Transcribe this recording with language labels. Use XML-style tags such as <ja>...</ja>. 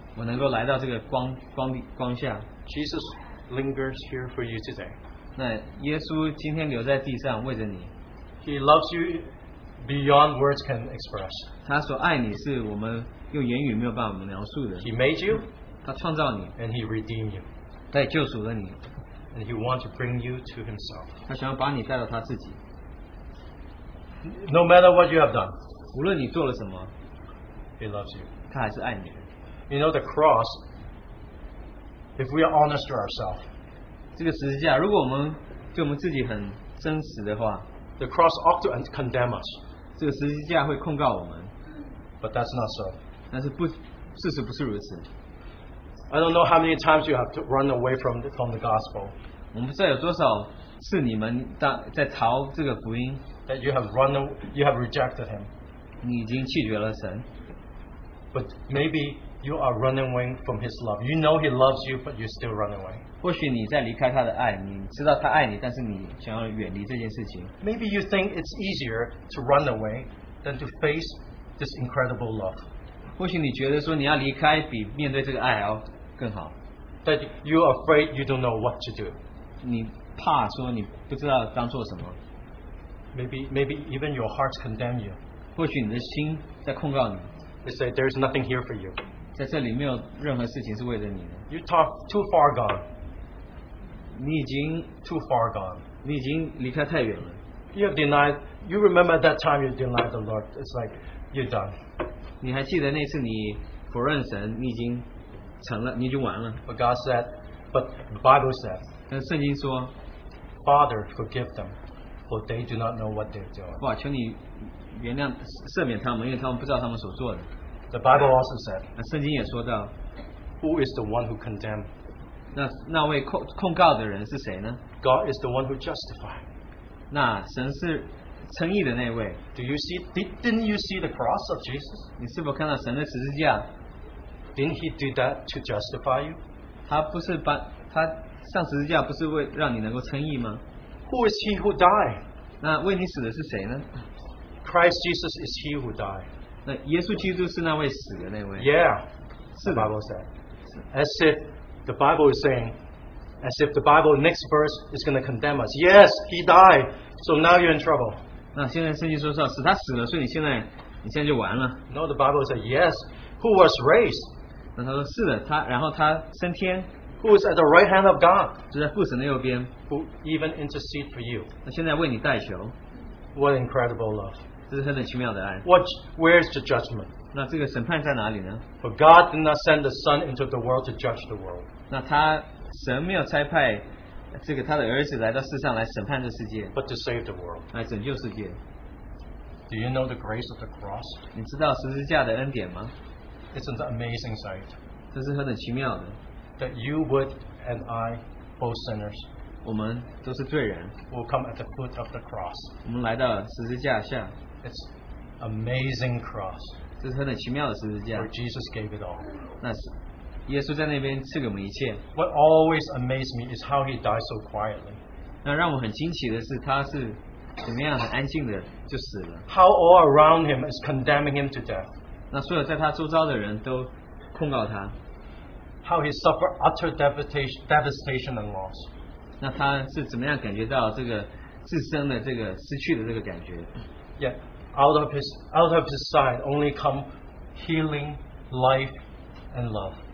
<zh>我能够来到这个光下,</zh> <en>Jesus lingers here for you today.</en> <zh>那耶稣今天留在地上为着你,</zh> <en>he loves you beyond words can express.</en> <zh>他所爱你是我们用言语没有办法描述的,</zh> <en>he made you,</en> <zh>他创造你,</zh> <en>and he redeemed you,</en> <zh>他也救赎了你,</zh> <en>and he wants to bring you to himself.</en> <zh>他想要把你带到他自己,</zh> <en>no matter what you have done,</en> <zh>无论你做了什么,</zh> <en>He loves you.</en> <zh>他还是爱你的。</zh> <en>You know the cross, if we are honest to ourselves,</en> <zh>这个十字架,如果我们对我们自己很真实的话,</zh> <en>the cross ought to condemn us.</en> <zh>这个十字架会控告我们。</zh> <en>But that's not so.</en> <zh>但是不,事实不是如此。</zh> <en>I don't know how many times you have to run away from the gospel.</en> <zh>我们不知道有多少是你们在逃这个福音。</zh> <en>That you have run, you have rejected him.</en> <zh>你已经拒绝了神。</zh> <en>But maybe you are running away from his love. You know he loves you, but you still run away.</en> <zh>或许你在离开他的爱，你知道他爱你，但是你想要远离这件事情。</zh> <en>Maybe you think it's easier to run away than to face this incredible love.</en> <zh>或许你觉得说你要离开比面对这个爱还要更好。</zh> <en>That you are afraid you don't know what to do.</en> <zh>你怕说你不知道当做什么。</zh> <en>Maybe even your heart condemns you.</en> <zh>或许你的心在控告你。</zh> <en>They say there's nothing here for you.</en> <zh>在这里没有任何事情是为了你的。</zh> <en>You talk too far gone.</en> <zh>你已经</zh> <en>too far gone.</en> <zh>你已经离开太远了。</zh> <en>You have denied. You remember that time you denied the Lord. It's like you're done.</en> <zh>你还记得那次你否认神，你已经成了，你就完了。</zh> <en>But God said, but the Bible said.</en> <zh>但圣经说</zh> <en>，Father forgive them, for they do not know what they're doing.</en> <zh>哇，求你原谅赦免他们，因为他们不知道他们所做的。</zh> <en>The Bible also said.</en> <zh>那圣经也说到</zh> <en>，Who is the one who condemn?</en> <zh>那位控告的人是谁呢</zh> <en>？God is the one who justify.</en> <zh>那神是。称义的那位。</zh> <en>Do you see? Didn't you see the cross of Jesus?</en> <zh>你是否看到神的十字架</zh> <en>？Didn't he do that to justify you?</en> <zh>他不是把他上十字架，不是为让你能够称义吗</zh> <en>？Who is he who died?</en> <zh>那为你死的是谁呢</zh> <en>？Christ Jesus is he who died.</en> <zh>那耶稣基督是那位死的那位。 Yeah, 是</zh> <en>the Bible said. As if the Bible is saying, as if the Bible next verse is going to condemn us. Yes, he died. So now you're in trouble.</en> <zh>那现在圣经说是他死了，所以你现在就完了。</zh> <en>No, the Bible says yes. Who was raised?</en> <zh>那他说是的，他然后他升天。</zh> <en>Who is at the right hand of God?</en> <zh>就在父神的右边。</zh> <en>Who even intercede for you?</en> <zh>那现在为你代求。</zh> <en>What incredible love!</en> <zh>这是很奇妙的爱。</zh> <en>What? Where is the judgment?</en> <zh>那这个审判在哪里呢</zh> <en>？For God did not send the Son into the world to judge the world.</en> <zh>那他神没有差派。这个他的儿子来到世上来审判这世界</zh> <en>but to save the world.</en> <zh>来拯救世界</zh> <en>Do you know the grace of the cross?</en> <zh>你知道十字架的恩典吗</zh> <en>It's an amazing sight.</en> <zh>这是很奇妙的</zh> <en>That you would and I, both sinners,</en> <zh>我们都是罪人</zh> <en>will come at the foot of the cross.</en> <zh>我们来到十字架下</zh> <en>It's amazing cross.</en> <zh>这是很奇妙的十字架</zh> <en>Where Jesus gave it all.</en> <zh>那是耶稣在那边赐给我们一切。</zh> <en>What always amazed me is how he died so quietly.</en> <zh>那让我很惊奇的是，他是怎么样很安静的就死了。</zh> <en>How all around him is condemning him to death.</en> <zh>那所有在他周遭的人都控告他。</zh> <en>How he suffered utter devastation and loss.</en> <zh>那他是怎么样感觉到这个自身的这个失去的这个感觉</zh> <en>？Yeah, out of his side only come healing, life, and love.</en>